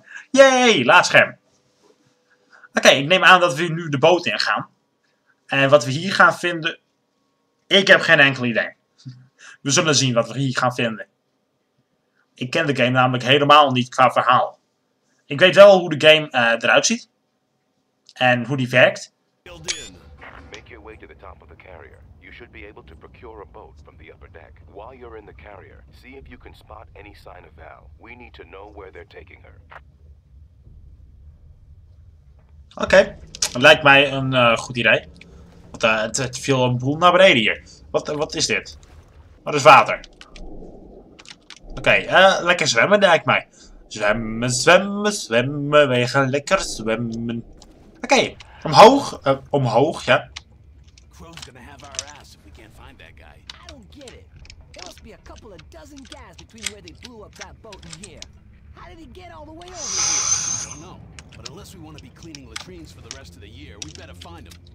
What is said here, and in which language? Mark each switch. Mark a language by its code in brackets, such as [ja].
[nl] Yay, laadscherm. Oké, ik neem aan dat we nu de boot ingaan. En wat we hier gaan vinden... Ik heb geen enkel idee. We zullen zien wat we hier gaan vinden. Ik ken de game namelijk helemaal niet qua verhaal. Ik weet wel hoe de game eruit ziet. En hoe die werkt. [en] Make your way to the top of the carrier. You should be able to procure a boat from the upper deck. While you're in the carrier, see if you can spot any sign of Val. We need to know where they're taking her. [nl] Oké, lijkt mij een goed idee. Want het viel een boel naar beneden hier. Wat is dit? Wat is water? Oké, lekker zwemmen lijkt mij. Zwemmen, zwemmen, zwemmen. Wij gaan lekker zwemmen. Oké, omhoog. Omhoog, ja. [en] Crow's gonna have our ass if we can't find that guy. I don't get it. There must be a couple of dozen guys between where they blew up that boat and here. How did he get all the way over here? I don't know. But unless we want to be cleaning latrines for the rest of the year, we better find them.